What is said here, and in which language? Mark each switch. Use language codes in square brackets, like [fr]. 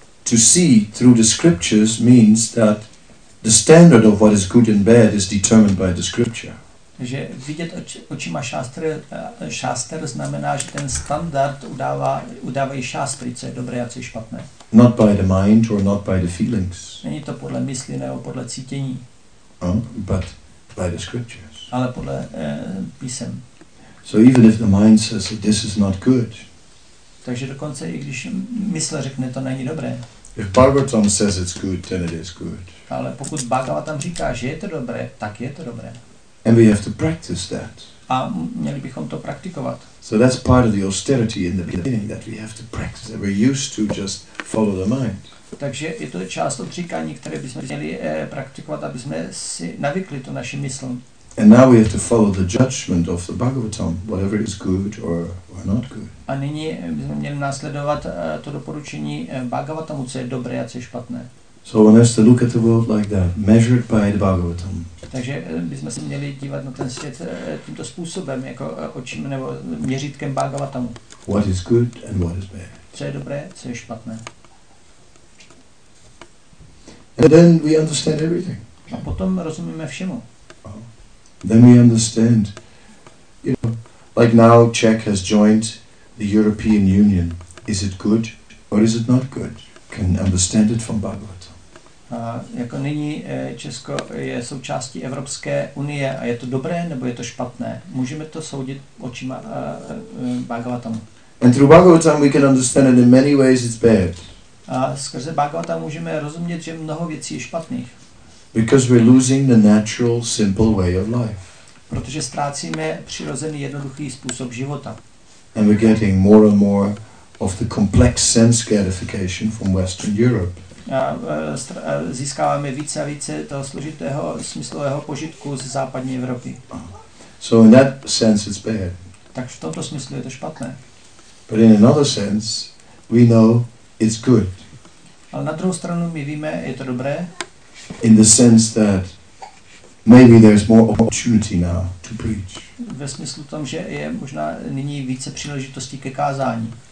[en] To see through the scriptures means that the standard of what is good and bad is determined by the scripture. [cs] že vidět očima šáster znamená, že ten standard udávají šástry, co je dobré a co je špatné. [en] Not by the mind or not by the feelings. [cs] Není to podle mysli nebo podle cítění. [en] But by the scriptures. [cs] Ale podle písem. [en] So even if the mind says that this is not good. [cs] Takže dokonce i když mysl řekne, to není dobré. [en] If Bhagavatam says it's good, then it is good. [cs] Ale pokud Bhagavatam říká, že je to dobré, tak je to dobré. [en] And we have to practice that. [cs] A měli bychom to praktikovat. [en] So that's part of the austerity in the beginning, that we have to practice. We're used to just follow the mind. [cs] Takže je to část odříkání, které bychom měli praktikovat, aby jsme si navykli to naši mysl. [en] And now we have to follow the judgment of the Bhagavatam, whatever is good or not good. [cs] A nyní bychom měli následovat to doporučení Bhagavatamu, co je dobré a co je špatné. [en] So one has to look at the world like that, measured by the Bhagavatam. [cs] Takže bychom se měli dívat na ten svět tímto způsobem, jako očím nebo měřítkem Bhagavatamu. [en] What is good and what is bad. [cs] Co je dobré, co je špatné. [en] And then we understand everything. [cs] A potom rozumíme všemu. [en] Then we understand, you know, like now Czech has joined the European Union. Is it good or is it not good? Can understand it from Bhagavatam. [cs] Jako nyní Česko je součástí Evropské unie a je to dobré nebo je to špatné? Můžeme to soudit očima Bhagavatamu. [en] And through Bhagavatam we can understand it in many ways it's bad. [cs] A skrze Bhagavatam můžeme rozumět, že mnoho věcí je špatných. [en] Because we're losing the natural, simple way of life. [cs] Protože ztrácíme přirozený jednoduchý způsob života. [en] And we're getting more and more of the complex sense gratification from Western Europe. [cs] A získáváme více a více toho složitého smyslového požitku z západní Evropy. [en] So in that sense it's bad. [cs] Tak v tomto smyslu je to špatné. [en] But in another sense we know it's good. [cs] Ale na druhou stranu my víme, je to dobré. [en] In the sense that maybe there's more opportunity now to preach. [cs] Ve smyslu tom, že je možná nyní více příležitostí ke kázání.